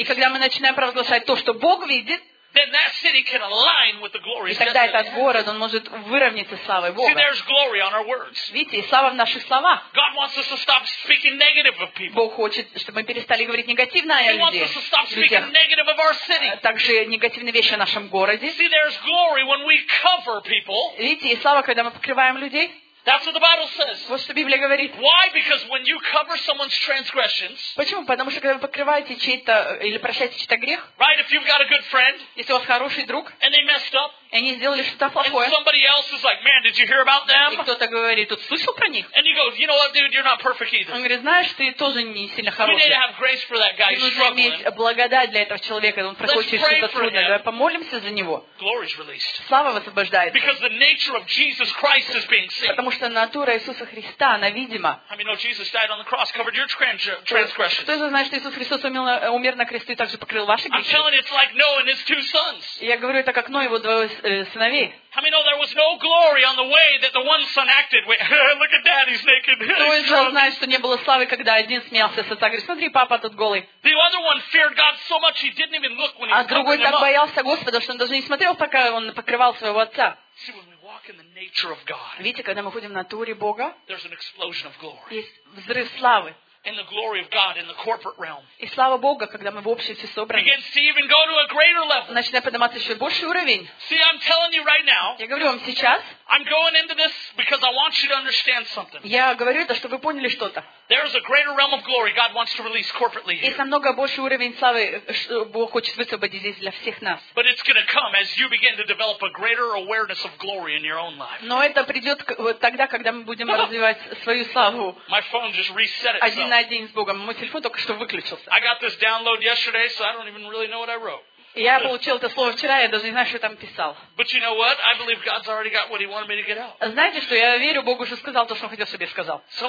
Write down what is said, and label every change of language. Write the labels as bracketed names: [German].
[Russian] и когда мы начинаем провозглашать то, что Бог видит, и тогда этот город, он может выровняться с славой Бога. [English] See, there's glory on our words. [Russian] Видите, слава в наших словах. [English] God wants us to stop speaking negative of people. [Russian] Бог хочет, чтобы мы перестали говорить негативно о людях. [English] He wants us to stop speaking negative of our city. [Russian] Также негативные вещи о нашем городе. [English] See, there's glory when we cover people. [Russian] Видите, и слава, когда мы покрываем людей. [English] That's what the Bible says. [Russian] Вот что Библия говорит. [English] Why? Because when you cover someone's transgressions. [Russian] Почему? Потому что когда вы покрываете чей-то или прощаете чей-то грех. [English] Right? If you've got a good friend. [Russian] Если у вас хороший друг. [English] And they messed up. [Russian] И они сделали что-то плохое. [English] And somebody else is like, man, did you hear about them? [Russian] И кто-то говорит, тут слышал про них? [English] And he goes, you know what, dude, you're not perfect either. [Russian] Он говорит, знаешь, ты тоже не сильно хороший. [English] We need to have grace for that guy. [Russian] Нужно иметь благодать для этого человека, он проходит через что-то трудное. Давай помолимся за него. [English] Glory is released. [Russian] Слава высвобождается. [English] Because the nature of Jesus Christ is being seen. [Russian] Потому что натура Иисуса Христа, она видима. Что это значит, что Иисус Христос умер на кресте и также покрыл ваши грехи? Я говорю, это как Ной и его двое сыновей. [English] How many know there was no glory on the way that the one son acted? Look at that, he's naked. [Russian] Кто из вас знает, что не было славы, когда один смеялся, сатана говорит, смотри, папа тут голый. [English] The other one feared God so much he didn't even look when he was covering him up. [Russian] А другой так боялся Господа, что он даже не смотрел, пока он покрывал своего отца. [English] See, when we walk in the nature of God, [Russian] видите, когда мы ходим в натуре Бога, [English] there's an explosion of glory. [Russian] Есть взрыв славы. [English] In the glory of God in the corporate realm. [Russian] И слава Богу, когда мы в обществе собраны. [English] Begins to even go to a greater level. [Russian] Начинает подниматься еще больший уровень. [English] See, I'm telling you right now. [Russian] Я говорю вам сейчас. [English] I'm going into this because I want you to understand something. [Russian] Я говорю это, чтобы вы поняли что-то. [English] There is a greater realm of glory God wants to release corporately. [Russian] Есть намного больший уровень славы, что Бог хочет высвободить здесь для всех нас. [English] But it's going to come as you begin to develop a greater awareness of glory in your own life. [Russian] Но это придет тогда, когда мы будем развивать свою славу. [English] My phone just reset itself. [Russian] Один на один с Богом. Мой телефон только что выключился. [English] I got this download yesterday, so I don't even really know what I wrote. [Russian] Я получил это слово вчера, я даже не знаю, что я там писал. Знаете что, я верю, Бог уже сказал то, что Он хотел себе сказать.